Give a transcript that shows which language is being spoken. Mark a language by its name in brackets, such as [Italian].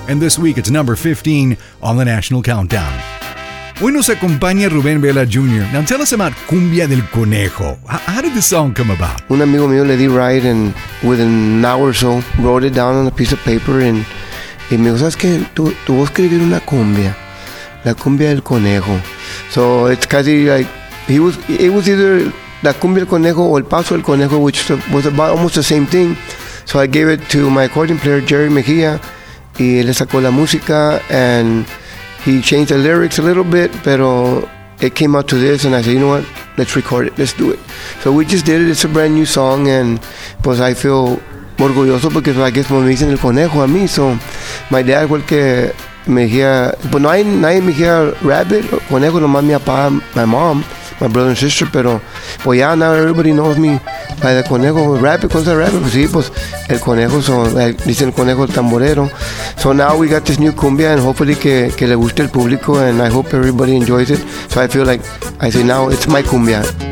[English] And this week it's number 15 on the National Countdown. [Spanish] Hoy nos acompaña Rubén Vela Jr. [English] Now tell us about Cumbia del Conejo. How did the song come about? [Spanish] Un amigo mío le di [English] ride and within an hour or so wrote it down on a piece of paper. [Spanish] Y me dijo, ¿sabes qué? Tú vas a escribir una cumbia. La cumbia del conejo. [English] So it's casi like, It was either La Cumbia del Conejo or El Paso del Conejo, which was about almost the same thing. So I gave it to my accordion player, Jerry Mejia, [Spanish] y le sacó la música, [English] and he changed the lyrics a little bit, [Spanish] pero [English] it came out to this, and I said, you know what, let's record it, let's do it. So we just did it. It's a brand new song, and [Spanish] pues [English] I feel [Spanish] orgulloso, [English] because I guess [Spanish] me dicen El Conejo a mí, [English] so my dad [Spanish] fue el que... [English] Mejía, but [Spanish] nadie me dijera [English] rabbit, [Spanish] conejo, nomás mi papá, [English] my mom, my brother and sister, [Spanish] pero, pues ya, [English] now everybody knows me, [Spanish] Para el conejo, [English] rapid, [Spanish] cosa rapid, pues sí, pues el conejo, [English] so, [Spanish] dicen el conejo tamborero. [English] So now we got this new cumbia, and hopefully [Spanish] que le guste el público, [English] and I hope everybody enjoys it. So I feel like, I say now, it's my cumbia.